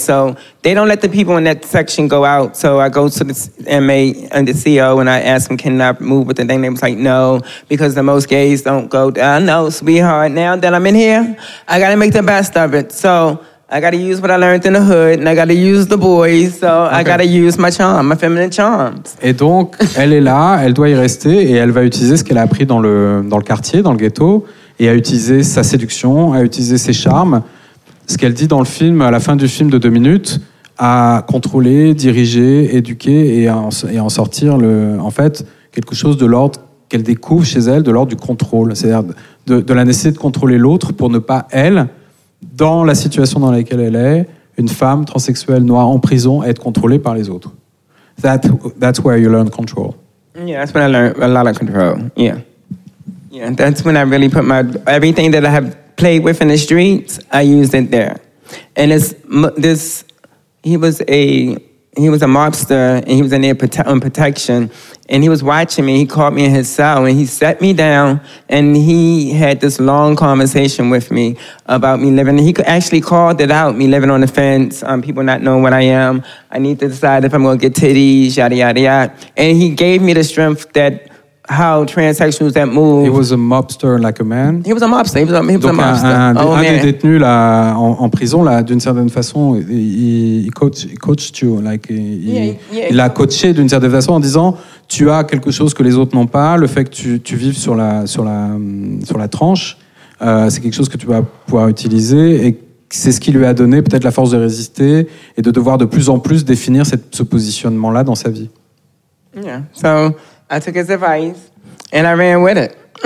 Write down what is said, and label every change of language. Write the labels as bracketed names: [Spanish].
[English] So they don't let the people in that section go out. So I go to the MA and the CO, and I ask them, can I move with the thing? They was like, no, because the most gays don't go. I know, sweetheart, now that I'm in here, I got to make the best of it. So... I got to use what I learned in the hood, and I got to use the boys, so okay. I got to use my charm, my feminine charms. [French] Et donc, elle est là, elle doit y rester, et elle va utiliser ce qu'elle a appris dans le quartier, dans le ghetto, et à utiliser sa séduction, à utiliser ses charmes. Ce qu'elle dit dans le film, à la fin du film de 2 minutes, à contrôler, diriger, éduquer, et en sortir, en fait, quelque chose de l'ordre qu'elle découvre chez elle de l'ordre du contrôle, c'est-à-dire de la nécessité de contrôler l'autre pour ne pas, elle, dans la situation dans laquelle elle est, une femme transsexuelle noire en prison, être contrôlée par les autres. [English] That's where you learn control. Yeah, that's when I learned a lot of control. Yeah. Yeah, that's when I really put my... Everything that I have played with in the streets, I used it there. And it's, this... He was a mobster, and he was in there on protection. And he was watching me. He caught me in his cell, and he set me down, and he had this long conversation with me about me living. He actually called it out, me living on the fence, people not knowing what I am. I need to decide if I'm going to get titties, yada, yada, yada. And he gave me the strength that how transsexuals that move. He was a mobster like a man? He was a mobster. He was a mobster. [French] Un des détenus là, en prison, là, d'une certaine façon, [English] he coached you. [French] Il a coaché d'une certaine façon en disant... Tu as quelque chose que les autres n'ont pas, le fait que tu vives sur la tranche, c'est quelque chose que tu vas pouvoir utiliser et c'est ce qui lui a donné peut-être la force de résister et de devoir de plus en plus définir ce positionnement-là dans sa vie. [English] Yeah, so I took his advice and I ran with it.